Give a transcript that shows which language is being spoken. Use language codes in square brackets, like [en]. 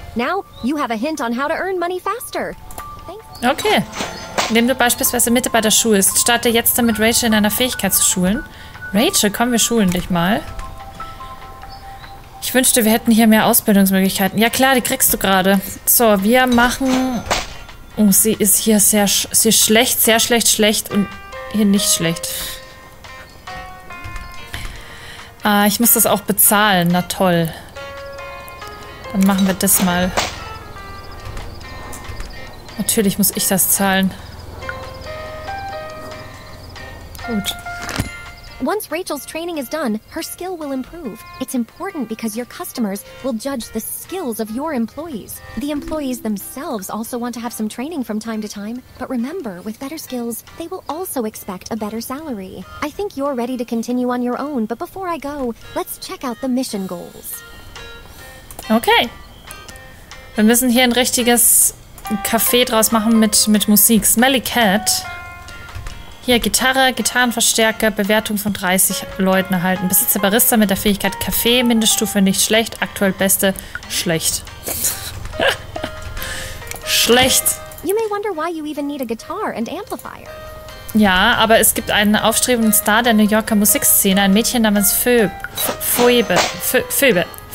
[en] Now you have a hint on how to earn money faster. Okay. [de] Indem du beispielsweise Mitarbeiter schulst, starte jetzt damit, Rachel in einer Fähigkeit zu schulen. Rachel, komm, wir schulen dich mal. Ich wünschte, wir hätten hier mehr Ausbildungsmöglichkeiten. Ja klar, die kriegst du gerade. So, wir machen... Oh, sie ist hier sehr schlecht und hier nicht schlecht. Ah, ich muss das auch bezahlen. Na toll. Dann machen wir das mal. Natürlich muss ich das zahlen. Gut. [en] Once Rachel's training is done, her skill will improve. It's important because your customers will judge the skills of your employees. The employees themselves also want to have some training from time to time. But remember, with better skills, they will also expect a better salary. I think you're ready to continue on your own, but before I go, let's check out the mission goals. Okay. [de] Wir müssen hier ein richtiges Café draus machen mit Musik. Smelly Cat. Hier, Gitarre, Gitarrenverstärker, Bewertung von 30 Leuten erhalten. Besitzer Barista mit der Fähigkeit Kaffee, Mindeststufe nicht schlecht, aktuell beste, schlecht. Schlecht. [en] You may wonder why you even need a guitar and amplifier. [de] Ja, aber es gibt einen aufstrebenden Star der New Yorker Musikszene, ein Mädchen namens Phoebe.